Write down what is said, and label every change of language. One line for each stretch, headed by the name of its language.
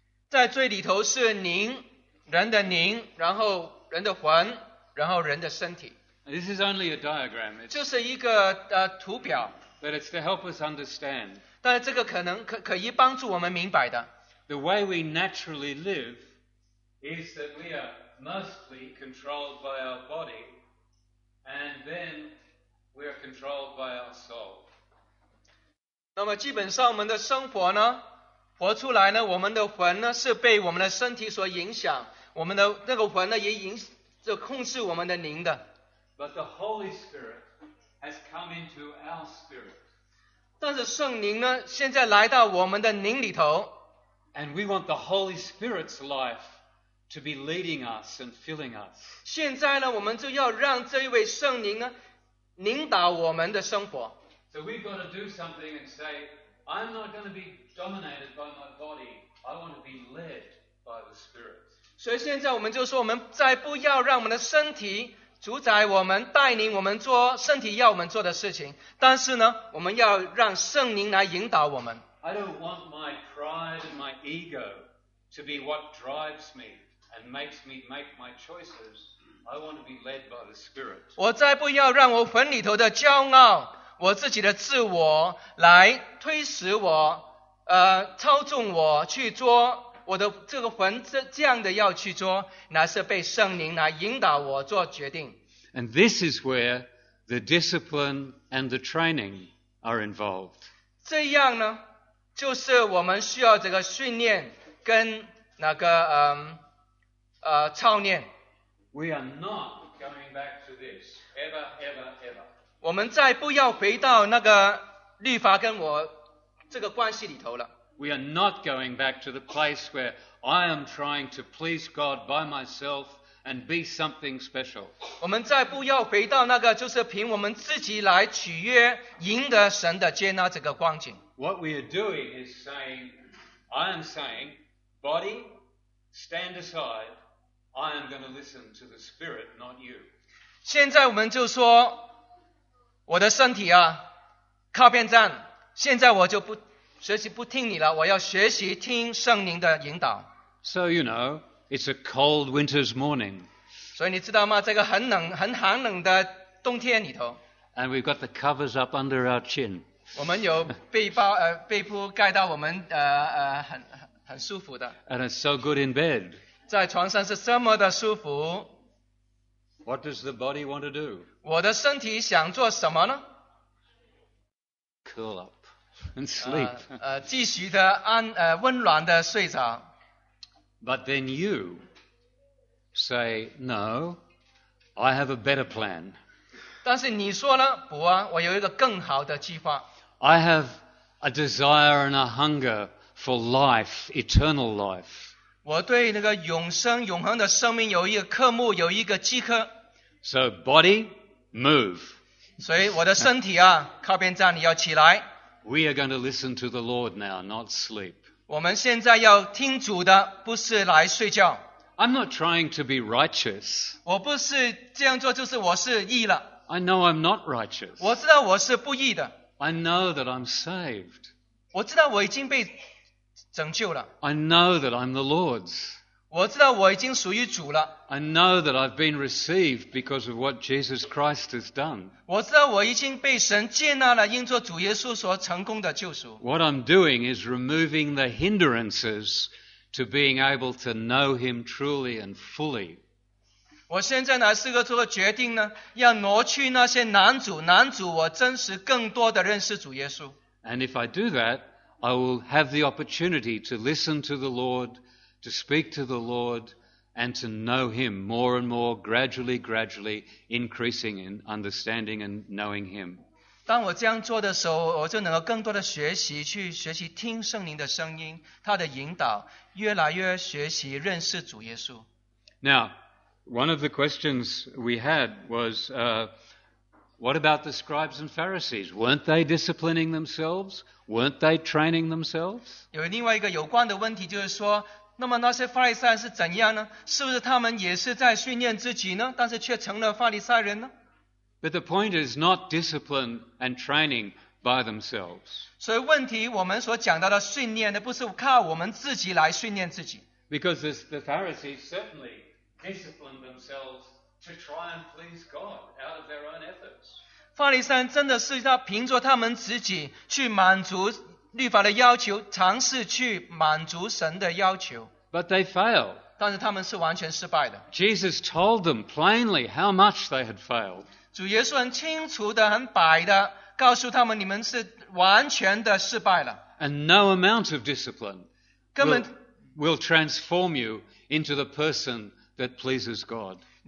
Chinese: 在最里头是灵，人的灵，然后人的魂，然后人的身体。
English: This is only a diagram. It's
Chinese: 就是一个, 图表。
English: But it's to help us understand.
Chinese: 但这个可能可以帮助我们明白的。
English: The way we naturally live is that we are mostly controlled by our body, and then we are controlled by our soul.
Chinese: 那么基本上我们的生活呢，活出来呢，我们的魂呢是被我们的身体所影响，我们的那个魂呢也影就控制我们的灵的。
English: But the Holy Spirit has come into our spirit.
Chinese: 但是圣灵呢，现在来到我们的灵里头。
English: And we want the Holy Spirit's life to be leading us and filling us.
Chinese: 现在呢，我们就要让这一位圣灵呢，领导我们的生活。
English: So we've got to do something and say, I'm not going to be dominated by my body. I want to be led by the Spirit.
Chinese: 所以现在我们就说，我们再不要让我们的身体主宰我们，带领我们做身体要我们做的事情，但是呢，我们要让圣灵来引导我们。
English: I don't want my pride and my ego to be what drives me and makes me make my choices. I want to be led by the Spirit.
Chinese: 我再不要让我魂里头的骄傲，我自己的自我来推使我，操纵我去做我的这个魂这样的要去做，乃是被圣灵来引导我做决定。
English: And this is where the discipline and the training are involved.
Chinese: 这样呢，就是我们需要这个训练跟那个操练。
English: We are not coming back to this ever, ever, ever.
Chinese: 我们再不要回到那个律法跟我这个关系里头了。
English: We are not going back to the place where I am trying to please God by myself and be something special.
Chinese: 我们再不要回到那个就是凭我们自己来取悦赢得神的接纳这个光景。
English: What we are doing is saying, I am saying, body, stand aside, I am going to listen to the Spirit, not you.
Chinese: 现在我们就说，我的身体啊，靠边站，现在我就不学习不听你了，我要学习听圣灵的引导。
English: So you know, it's a cold winter's morning.
Chinese: 所以你知道吗？这个很冷、很寒冷的冬天里头。
English: And we've got the covers up under our chin.
Chinese: 我们有背包、背铺盖到我们很舒服的。
English: And it's so good in bed.
Chinese: 在床上是这么的舒服。
English: What does the body want to do?
Chinese: 我的身体想做什么呢
English: ？Curl up. And sleep.
Chinese: 继续的安温暖的睡着。
English: But then you say, no, I have a better plan.
Chinese: 但是你说呢，不啊，我有一个更好的计划。
English: I have a desire and a hunger for life, eternal life.
Chinese: 我对那个永生、永恒的生命有一个渴慕，有一个饥渴。
English: So body, move.
Chinese: 所以我的身体啊，靠边站，你要起来。
English: We are going to listen to the Lord now, not sleep.
Chinese: 我们现在要听主的，不是来睡觉。
English: I'm not trying to be righteous.
Chinese: 我不是这样做，就是我是义了。
English: I know I'm not righteous.
Chinese: 我知道我是不义的。
English: I know that I'm saved.
Chinese: 我知道我已经被拯救了。
English: I know that I'm the Lord's.
Chinese: 我知道我已经属于主了。
English: I know that I've been received because of what Jesus Christ has done.
Chinese: 我知道我已经被神接纳了，因着主耶稣所成功的救赎。
English: What I'm doing is removing the hindrances to being able to know Him truly and fully.
Chinese: 我现在来是个做个决定呢，要挪去那些难阻，难阻我真实更多的认识主耶稣。
English: And if I do that, I will have the opportunity to listen to the Lord. To speak to the Lord and to know Him more and more, gradually, gradually increasing in understanding and knowing Him.
Chinese: 当我这样做的时候，我就能够更多的学习，去学习听圣灵的声音，他的引导，越来越学习认识主耶稣。
English: Now, one of the questions we had was, what about the scribes and Pharisees? Weren't they disciplining themselves? Weren't they training themselves?
Chinese: 有另外一个有关的问题，就是说。那么那些法利赛人是怎样呢？是不是他们也是在训练自己呢？但是却成了法利赛人呢？
English: But the point is not discipline and training by themselves.
Chinese: 所以问题我们所讲到的训练呢，不是靠我们自己来训练自己。
English: Because the Pharisees certainly disciplined themselves to try and please God out of their own efforts.
Chinese: 法利赛人真的是要凭着他们自己去满足律法的要求，尝试去满足神的要求。
English: But they failed.
Chinese: 但是他们是完全失败的。
English: Jesus told them plainly how much they had failed.
Chinese: 主耶稣很清楚的、很白的告诉他们，你们是完全的失败了。
English: And no amount of discipline
Chinese: 根本,
English: will transform you into the person that pleases God.